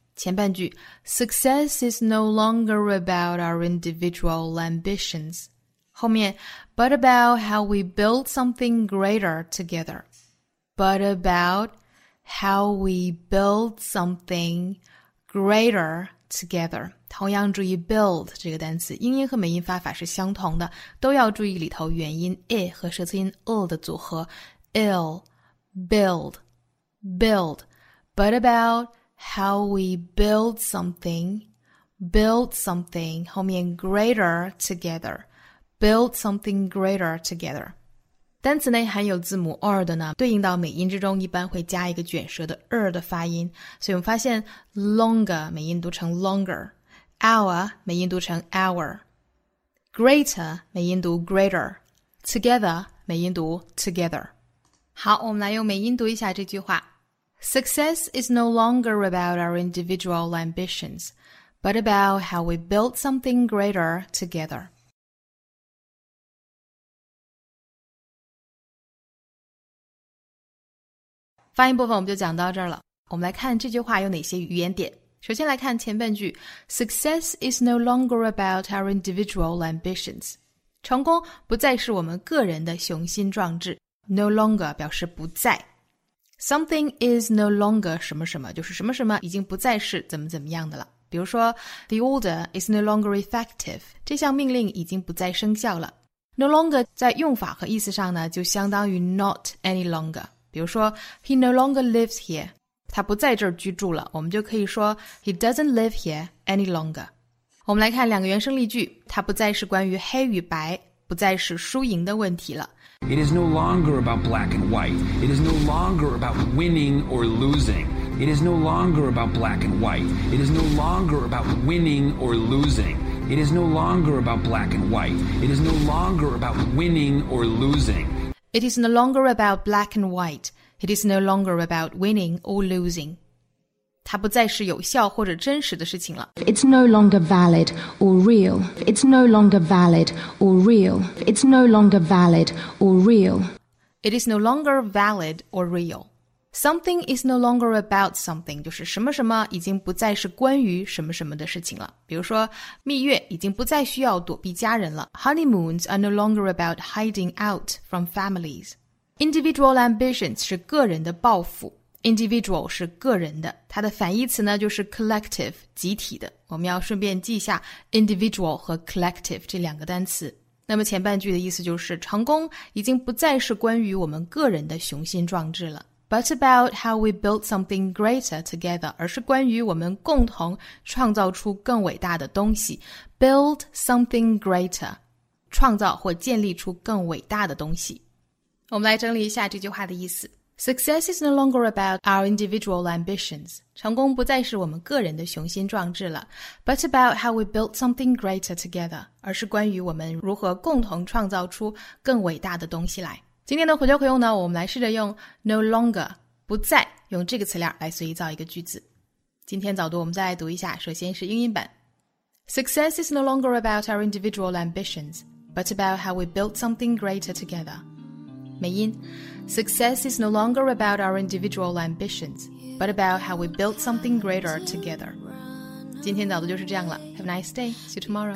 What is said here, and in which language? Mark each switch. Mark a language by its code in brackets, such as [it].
[zh] 前半句 [en] ，Success is no longer about our individual ambitions。 [zh] 后面 [en] But about how we build something greater together. But about how we build something greater together. [zh] 同样注意 build 这个单词，英音和美音发法是相同的，都要注意里头元音 i 和舌头音 l 的组合。 [en] Ill, build, build. But about how we build something. Build something, [zh] 后面 [en] greater together. Build something greater together. [zh] 单词内含有字母 r 的呢，对应到美音之中一般会加一个卷舌的 r 的发音。所以我们发现 longer, 美音读成 longer. Hour, 美音读成 hour. Greater, 美音读 greater. Together, 美音读 together. 好，我们来用美音读一下这句话。 [en] Success is no longer about our individual ambitions. But about how we build something greater together. [zh] Fine 部分我们就讲到这儿了。我们来看这句话有哪些语言点。首先来看前半句 [en] ,Success is no longer about our individual ambitions. [zh] 成功不再是我们个人的雄心壮志。 No longer 表示不再。 [en] Something is no longer [zh] 什么什么就是什么什么已经不再是怎么怎么样的了。比如说 [en] The order is no longer effective. [zh] 这项命令已经不再生效了。 No longer 在用法和意思上呢就相当于 not any longer. [en] 比如说 He no longer lives here. [zh] 他不在这儿居住了。我们就可以说 [en] He doesn't live here any longer. [zh] 我们来看两个原声例句。它不再是关于黑与白不再是输赢的问题了。 [en] It is no longer about black and white. It is no longer about winning or losing. It is no longer about black and white. It is no longer about winning or losing. It is no longer about black and white. It is no longer about winning or losing. It is no longer about black and white. It is no longer about winning or losing. [zh] 它不再是有效或者真实的事情了。 [en] It's no longer valid or real. It's no longer valid or real. It's no longer valid or real. It is no longer valid or real. Something is no longer about something, [zh] 就是什么什么已经不再是关于什么什么的事情了。比如说蜜月已经不再需要躲避家人了。 [en] Honeymoons are no longer about hiding out from families. Individual ambitions [zh] 是个人的抱负。Individual 是个人的。它的反义词呢就是 collective, 集体的。我们要顺便记一下 individual 和 collective 这两个单词。那么前半句的意思就是成功已经不再是关于我们个人的雄心壮志了。 [en] But about how we built something greater together, [zh] 而是关于我们共同创造出更伟大的东西。 [en] Build something greater, [zh] 创造或建立出更伟大的东西。我们来整理一下这句话的意思。 [en] Success is no longer about our individual ambitions. [zh] 成功不再是我们个人的雄心壮志了。 [en] But about how we built something greater together, [zh] 而是关于我们如何共同创造出更伟大的东西来。今天的回教可用呢，我们来试着用 no longer 不再用这个词链来随意造一个句子。今天早读我们再来读一下，首先是英音版。 [en] Success is no longer about our individual ambitions, but about how we build something greater together. [zh] 美音 [en] Success is no longer about our individual ambitions, but about how we build something greater together. [zh] 今天早读就是这样了。 [en] Have a nice day. See you tomorrow.